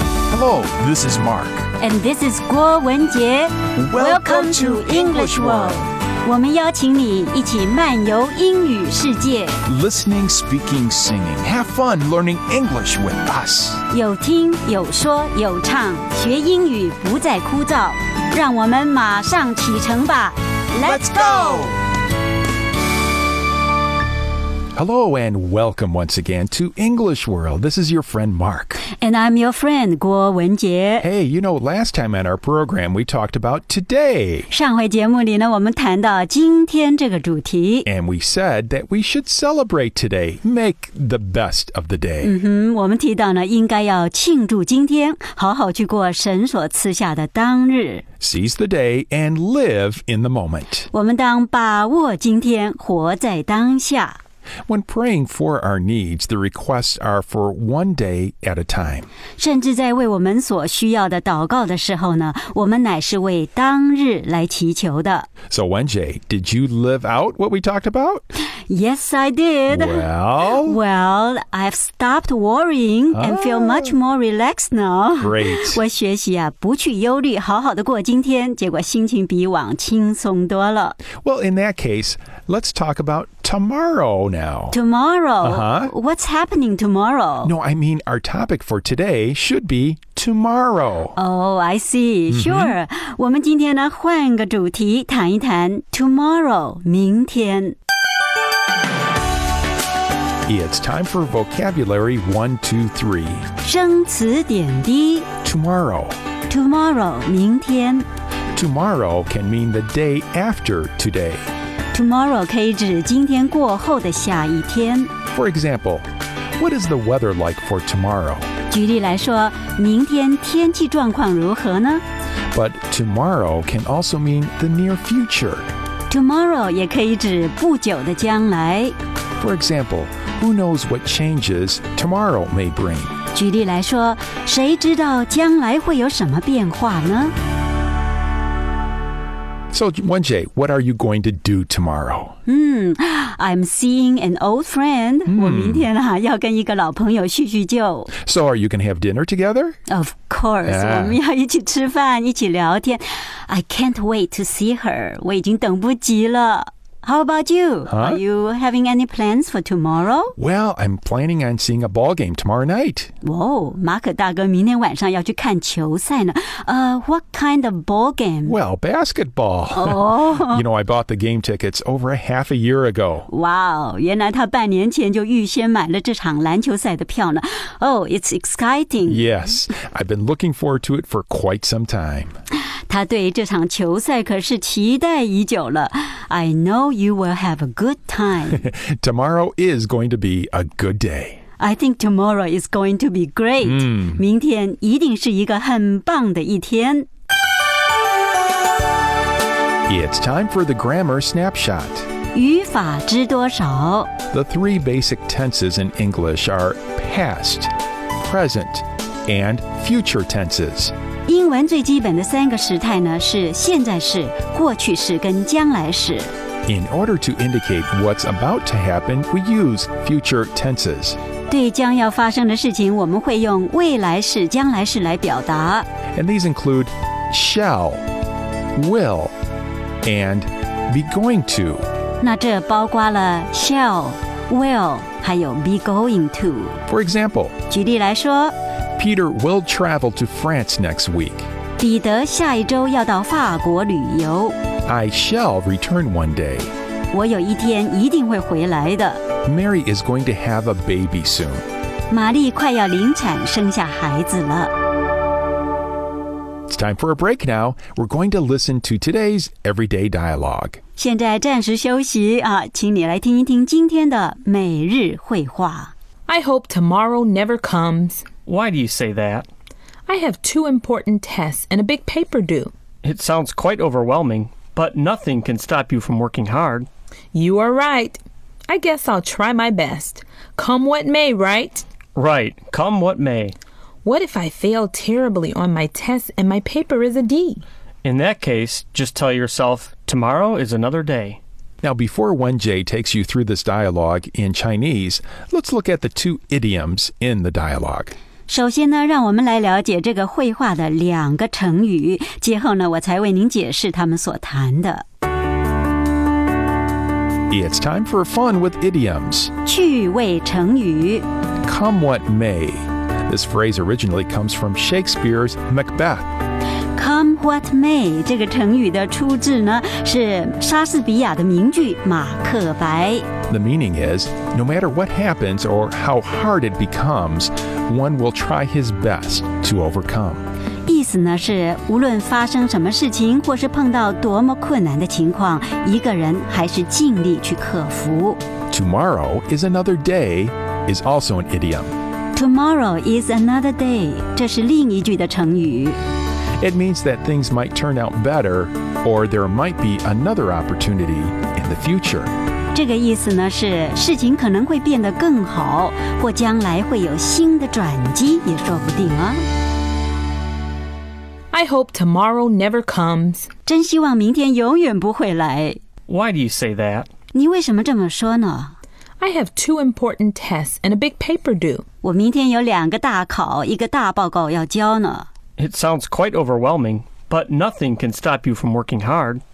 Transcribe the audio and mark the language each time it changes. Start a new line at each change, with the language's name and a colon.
English: Hello, this is Mark. And this is Guo Wenjie. Welcome to English World.
Chinese: 我们邀请你一起漫游英语世界。
English: Listening, speaking, singing. Have fun learning English with us.
Chinese: 有听有说有唱，学英语不再枯燥。让我们马上启程吧。
English: Let's go! Hello and welcome once again to English World. This is your friend Mark. And I'm your friend, Guo Wenjie. Hey, you know, last time on our program, we talked about today.
Chinese: 上回节目里呢，我们谈到今天这个主题。
English: And we said that we should celebrate today, make the best of the day.
Chinese: 我们提到呢，应该要庆祝今天，好好去过神所赐下的当日。
English: Seize the day and live in the moment.
Chinese: 我们当把握今天，活在当下。
English: When praying for our needs, the requests are for one day at a time.
Chinese: 甚至在为我们所需要的祷告的时候呢，我们乃是为当日来祈求的。
English: So, Wenjie, did you live out what we talked about? Yes, I did. Well, I've stopped worrying and feel much more relaxed now. Great.
Chinese: 我学习啊，不去忧虑，好好的过今天，结果心情比往轻松多了。
English: Well, in that case, let's talk about tomorrow. Now. Tomorrow? Uh-huh. What's happening tomorrow? No, I mean our topic for today should be tomorrow. Oh, I see. Sure.
Chinese: 我们今天呢，换个主题，谈一谈 tomorrow, 明天。
English: It's time for vocabulary 1, 2, 3.
Chinese: 生词点滴。
English: Tomorrow. Tomorrow,
Chinese: 明天。
English: Tomorrow can mean the day after today.
Chinese: Tomorrow 可以指今天过后的下一天。
English: For example, what is the weather like for tomorrow?
Chinese: 举例来说，明天天气状况如何呢？
English: But tomorrow can also mean the near future.
Chinese: Tomorrow 也可以指不久的将来。
English: For example, who knows what changes tomorrow may bring?
Chinese: 举例来说，谁知道将来会有什么变化呢？
English: So, Wenjie, what are you going to do tomorrow? I'm seeing an old friend.
Chinese: 我明天啊，要跟一个老朋友叙叙旧。
English: So, are you going to have dinner together? Of course. Yeah.
Chinese: 我们要一起吃饭，一起聊天。
English: I can't wait to see her.
Chinese: 我已经等不及了。
English: How about you? Huh? Are you having any plans for tomorrow? Well, I'm planning on seeing a ball game tomorrow night.
Chinese: Whoa, Mark 大哥明天晚上要去看球赛呢。
English: What kind of ball game? Well, basketball. Oh. You know, I bought the game tickets over a half a year ago.
Chinese: Wow, 原来他半年前就预先买了这场篮球赛的票呢。
English: Oh, it's exciting. Yes, I've been looking forward to it for quite some time.
Chinese: 他对这场球赛可是期待已久了。
English: I know you will have a good time. Tomorrow is going to be a good day. I think tomorrow is going to be great.
Chinese: 明天一定是一个很棒的一天。
English: It's time for the grammar snapshot.
Chinese: 语法知多少。
English: The three basic tenses in English are past, present, and future tenses.
Chinese: 英文最基本的三个时态呢，是现在式、过去式跟将来式。
English: In order to indicate what's about to happen, we use future tenses.
Chinese: 对将要发生的事情，我们会用未来式、将来式来表达。
English: And these include shall, will, and be going to.
Chinese: 那这包括了
English: shall, will, 还有 be going to. For example,
Chinese: 举例来说，
English: Peter will travel to France next week.
Chinese: 彼得下一周要到法国旅游。
English: I shall return one day.
Chinese: 我有一天一定会回来的。
English: Mary is going to have a baby soon.
Chinese: 玛丽快要临产生下孩子了。
English: It's time for a break now. We're going to listen to today's everyday dialogue.
Chinese: 现在暂时休息啊，请你来听一听今天的每日会话。
English: I hope tomorrow never comes. Why do you say that? I have two important tests and a big paper due. It sounds quite overwhelming. But nothing can stop you from working hard. You are right. I guess I'll try my best. Come what may, right? Right. Come what may. What if I fail terribly on my test and my paper is a D? In that case, just tell yourself, tomorrow is another day. Now, before Wenjie takes you through this dialogue in Chinese, let's look at the two idioms in the dialogue.
Chinese: 首先呢，让我们来了解这个绘画的两个成语，接后呢，我才为您解释他们所谈的。
English: It's time for fun with idioms.
Chinese: 趣味成语。
English: Come what may. This phrase originally comes from Shakespeare's Macbeth. Come what may,
Chinese: 这个成语的出自呢是莎士比亚的名句马克白。
English: The meaning is, no matter what happens or how hard it becomes, one will try his best to overcome.
Chinese: 意思呢是无论发生什么事情或是碰到多么困难的情况，一个人还是尽力去克服。
English: Tomorrow is another day is also an idiom. Tomorrow is another day,
Chinese: 这是另一句的成语。
English: It means that things might turn out better, or there might be another opportunity in the future.
Chinese: 这个意思呢是事情可能会变得更好，或将来会有新的转机也说不定啊。
English: I hope tomorrow never comes.
Chinese: 真希望明天永远不会来。
English: Why do you say that?
Chinese: 你为什么这么说呢？
English: I have two important tests and a big paper due.
Chinese: 我明天有两个大考，一个大报告要交呢。
English: It sounds quite overwhelming, but nothing can stop you from working hard.